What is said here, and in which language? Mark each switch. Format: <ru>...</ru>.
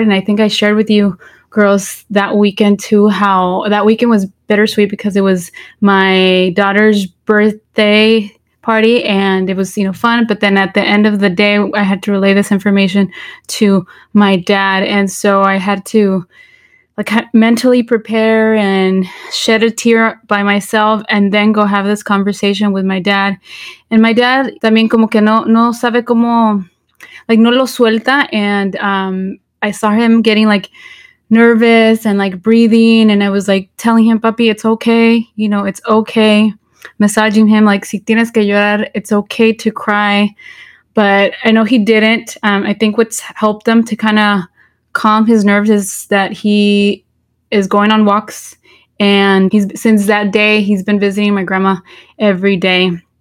<en>And I think I shared with you girls that weekend too, how that weekend was bittersweet because it was my daughter's birthday party and it was, you know, fun. But then at the end of the day, I had to relay this information to my dad. And so I had to like mentally prepare and shed a tear by myself and then go have this conversation with my dad. And my dad</en> <es>también como que no sabe cómo, like, no lo suelta.</es> <en>And I saw him getting like nervous and like breathing, and I was like telling him, papi, it's okay, you know, it's okay, massaging him, like,</en> <es>si tienes que llorar,</es> <en>it's okay to cry. But I know he didn't. I think what's helped him to kind of calm his nerves is that he is going on walks, and he's, since that day, he's been visiting my grandma every day.</en>